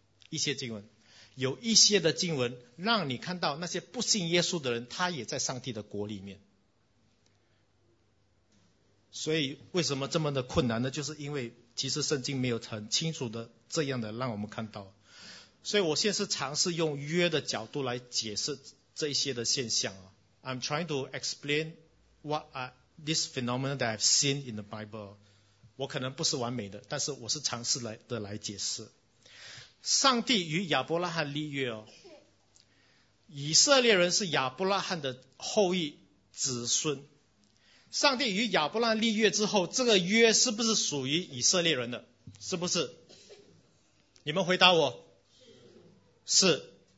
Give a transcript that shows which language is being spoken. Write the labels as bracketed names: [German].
[Chinese] 一些经文，有一些的经文让你看到那些不信耶稣的人，他也在上帝的国里面。所以为什么这么的困难呢？就是因为其实圣经没有很清楚的这样的让我们看到。所以我现在是尝试用约的角度来解释这一些的现象啊。 [English] I'm trying to explain this phenomenon that I've seen in the Bible. [Chinese] 我可能不是完美的，但是我是尝试来解释。上帝与亚伯拉罕立约哦，以色列人是亚伯拉罕的后裔子孙。上帝与亚伯拉罕立约之后，这个约是不是属于以色列人的？是不是？你们回答我。是。